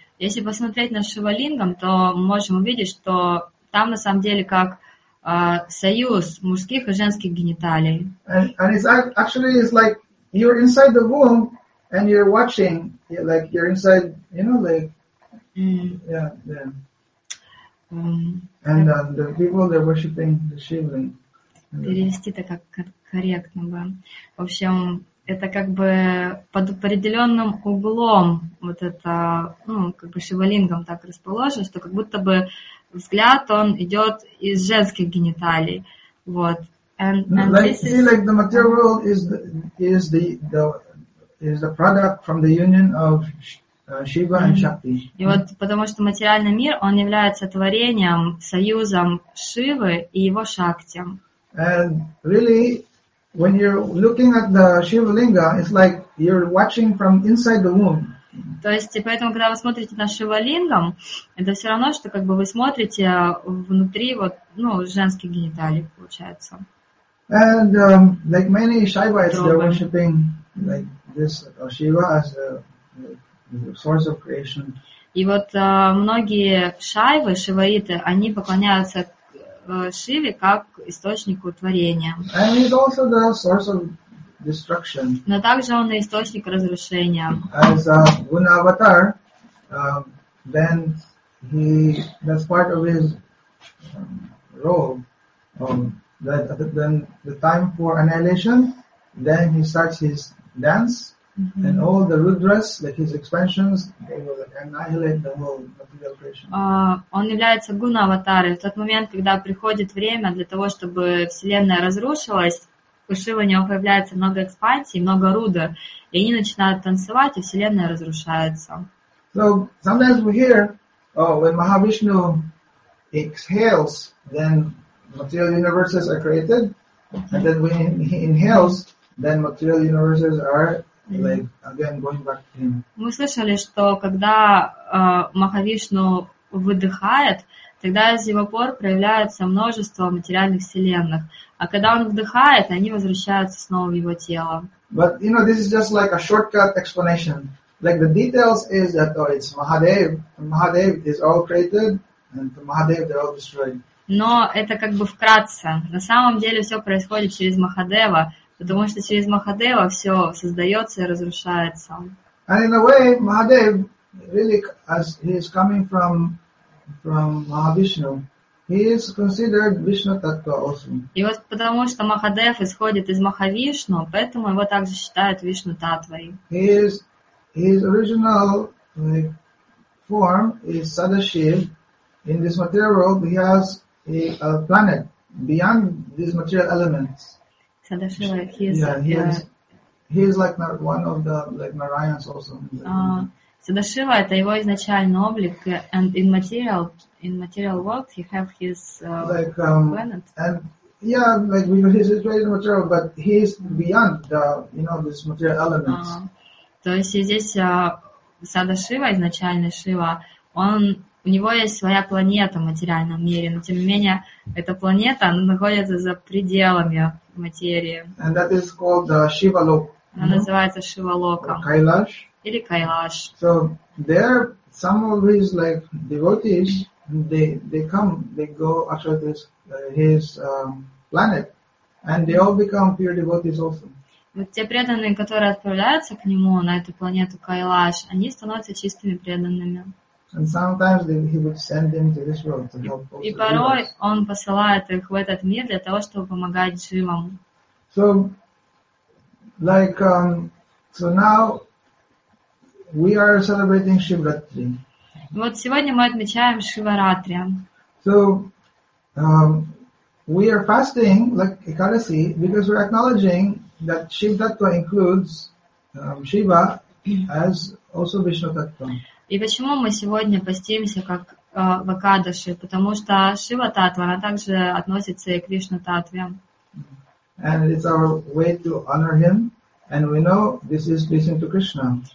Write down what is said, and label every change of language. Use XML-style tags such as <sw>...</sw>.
<ru>Если посмотреть на Шива Лингом, то мы можем увидеть, что там на самом деле как союз мужских и женских гениталий.</ru> <en>And it's actually it's like you're inside the womb. And you're watching, like you're inside, you know, like, And the people they're worshiping the Shiva.</en> <ru>Перевести это как корректно бы. В общем, это как бы под определенным углом вот это, ну, как бы Шивалингом так расположено, что как будто бы взгляд он идет из женских гениталий, вот.</ru> <en>And like, this is see, like the material world is the product from the union of Shiva and Shakti.</en> <ru>И вот потому что материальный мир, он является творением, союзом Шивы и его Шакти.</ru> <en>And really, when you're looking at the Shiva Linga, it's like you're watching from inside the womb.</en> <ru>То есть, и поэтому, когда вы смотрите на Шива Лингам, это все равно, что как бы вы смотрите внутри вот, ну, женских гениталий, получается.</ru> <en>And like many Shaivites, they're worshipping like this Shiva as the source of creation.</en> <ru>И вот многие шайвы, шиваиты, они поклоняются Шиве как источнику творения.</ru> <en>And he's also the source of destruction.</en> <ru>Но также он и источник разрушения.</ru> <en>As a Guna avatar, then he that's part of his role. That then the time for annihilation, then he starts his dance. Mm-hmm. And all the rudras, like his expansions, they will annihilate the whole material creation.</en> <ru>Он является гуна-аватарой. В тот момент, когда приходит время для того, чтобы Вселенная разрушилась, у Шивы у него появляется много экспансий, много рудр, и они начинают танцевать, и Вселенная разрушается.</ru> <en>So sometimes we hear, oh, when Mahavishnu exhales, then material universes are created, and then when he inhales, then material universes are like again going back to him.</en> <ru>Мы слышали, что когда Махавишну выдыхает, тогда из его пор проявляется множество материальных вселенных. А когда он вдыхает, они возвращаются снова в его тело.</ru> <en>But, you know, this is just like a shortcut explanation. Like, the details is that, oh, it's Mahadev. Mahadev is all created, and Mahadev they're all destroyed.</en> <ru>Но это как бы вкратце. На самом деле все происходит через Махадева, потому что через Махадева все создается и разрушается.</ru> <en>And in a way, Mahadev, really, as he is coming from Mahavishnu, he is considered Vishnu Tattva also.</en> <ru>И вот потому что Махадев исходит из Махавишну, поэтому его также считают Вишну Таттвой.</ru> <en>His original form is Sadashiv. In this material world, he has a planet beyond these material elements. Sadashiva, he is like one of the like Narayans also. Sadashiva,</en> <ru>это его изначальный облик,</ru> <en>and in material world, he have his planet. And yeah, like we know his situation material, but he is beyond the, you know, these material elements.</en> <ru>То есть здесь Сада-Шива, изначальный Шива, у него есть своя планета в материальном мире, но тем не менее эта планета, она находится за пределами материи.</ru> <en>And that is called the Shiva-Lok.</en> <ru>Она называется Шива-Локом.</ru> <en>Or Kailash.</en> <ru>Или Кайлаш.</ru> <en>So there, some of his like devotees, they go after this his planet, and they all become pure devotees also.</en> <ru>Вот те преданные, которые отправляются к нему на эту планету Кайлаш, они становятся чистыми преданными.</ru> <en>And sometimes he would send them to this world to help.</en> <ru>И порой он посылает их в этот мир для того, чтобы помогать живым.</ru> <en>So, like, so now we are celebrating Shivratri.</en> <ru>Вот сегодня мы отмечаем Шиваратри.</ru> <en>So, we are fasting like Ekadasi because we're acknowledging that Shiva Tattva includes Shiva as also Vishnu Tattva.</en> <ru>И почему мы сегодня постимся как в Экадаши? Потому что Шива Таттва, она также относится и к Вишну Таттве.</ru> <en>And it's our way to honor him. And we know this is listening to Krishna.</en>